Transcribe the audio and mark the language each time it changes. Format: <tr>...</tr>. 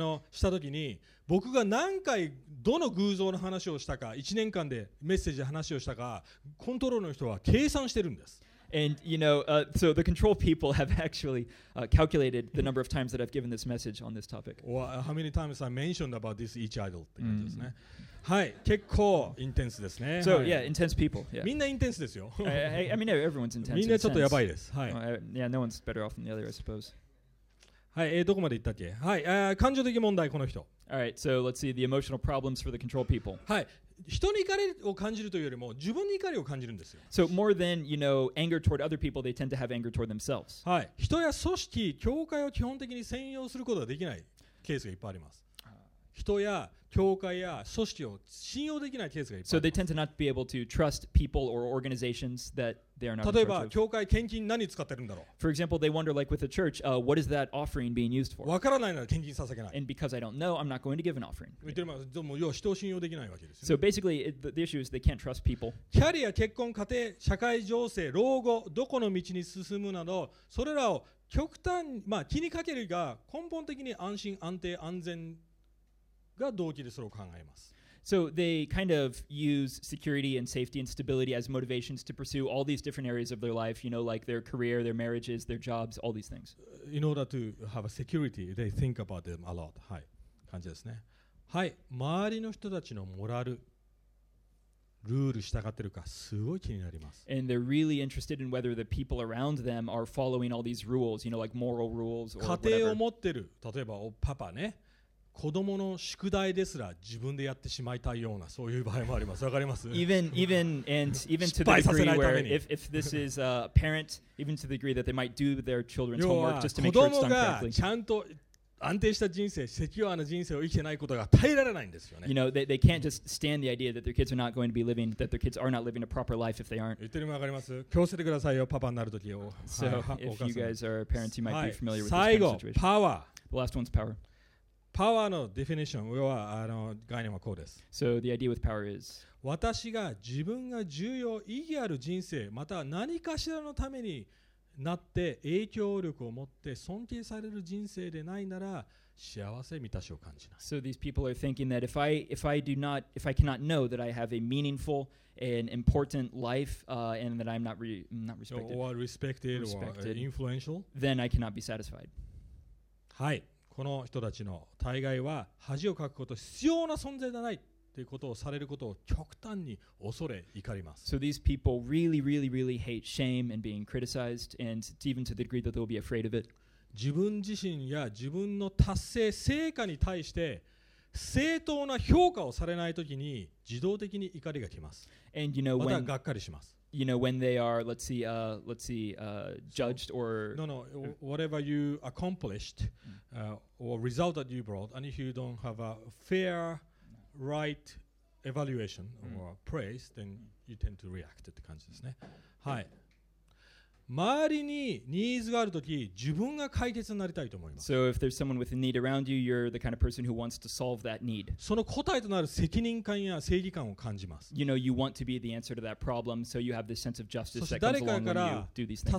<ja>したときに、僕が何回どの偶像の話をしたか、1年間でメッセージ話をしたか、コントロールの人は計算してるんです。</ja> <en>And you know, so the control people have actually calculated the number of times that I've given this message on this topic. Well, how many times I mentioned about this each idol?</en> <ja>はい、結構 intense ですね。</ja> <en>So yeah, intense people.</en> <ja>みんな intense ですよ。</ja> <en>I mean, everyone's intense.</en> <ja>みんなちょっとやばいです。はい。</ja> <en>Yeah, no one's better off than the other, I suppose.</en> <ja>はい、どこまで行ったっけ？はい、感情的問題この人。</ja> <en>All right, so let's see the emotional problems for the control people.</en> <ja>はい。人に怒りを感じるというよりも自分に怒りを感じるんですよ。</ja> <en>So more than, you know, anger toward other people, they tend to have anger toward themselves.</en> <ja>はい。人や組織、教会を基本的に占有することができないケースがいっぱいあります。人や教会や組織を信用できないケースがいっぱいあります。</ja> <en>So they tend to not be able to trust people or organizations that they are not in charge of.</en> <ja>例えば、教会献金何使ってるんだろう?</ja> <en>For example, they wonder, like with the church, what is that offering being used for?</en> <ja>わからないなら献金捧げない。</ja> <en>And because I don't know, I'm not going to give an offering.</en> <ja>言ってます。でも、要は人を信用できないわけですよ。</ja> <en>So basically, the issue is they can't trust people.</en> <ja>キャリア、結婚、家庭、社会情勢、老後、どこの道に進むなど、それらを極端、まあ、気にかけるが根本的に安心、安定、安全、が動機でそれを考えます。</ja> <en>So they kind of use security and safety and stability as motivations to pursue all these different areas of their life, you know, like their career, their marriages, their jobs, all these things. In order to have a security, they think about them a lot.</en> <ja>はい、感じですね。はい、周りの人たちのモラル、ルール従ってるかすごい気になります。</ja> <en>And they're really interested in whether the people around them are following all these rules, you know, like moral rules or whatever.</en> <ja>家庭を持ってる、例えばおパパね、子供の宿題ですら自分でやってしまいたいようなそういう場合もあります。わかります？</ja> <en>even to the degree where if this is a parent, even to the degree that they might do their children's homework just to make sure it's done correctly.</en> <ja>子供がちゃんと安定した人生、セキュアな人生を生きてないことが耐えられないんですよね。</ja> <en>You know, they can't just stand the idea that their kids are not going to be living, that their kids are not living a proper life if they aren't.</en> <ja>言ってるのわかります？強制てくださいよ、パパになるときを。</ja> <en>So, if you guys are parents, you might be familiar with</en> <ja>最後、パワー。</ja> <en>The last one's power.</en> <ja>パワーのディフィニッション、要は概念はこうです。</ja> <en>So, the idea with power is...</en> <ja>私が自分が重要、意義ある人生、または何かしらのためになって影響力を持って尊敬される人生でないなら幸せ満たしを感じない。</ja> <en>So these people are thinking that if I cannot know that I have a meaningful and important life, and that I'm not respected, or respected, or influential, then I cannot be satisfied.</en> <ja>はい、この人たちの大概は恥をかくこと必要な存在じゃない。ということをされることを極端に恐れ怒ります。</ja> <en>So these people really, really, really hate shame and being criticized, and even to the degree that they'll be afraid of it.</en> <ja>自分自身や自分の達成成果に対して正当な評価をされないときに自動的に怒りがきます。</ja> <en>And you know when</en> <ja>またがっかりします。</ja> <en>You know when they are, judged or whatever you accomplished, or result that you brought, and if you don't have a fair right evaluation or praise, then you tend to react</en> <ja>って感じですね。はい。周りにニーズがあるとき、自分が解決になりたいと思います。</ja> <en>So if there's someone with a need around you, you're the kind of person who wants to solve that need.</en> <ja>その答えとなる責任感や正義感を感じます。</ja> <en>You know, you want to be the answer to that problem, so you have this sense of justice that comes along when you do these things.</en>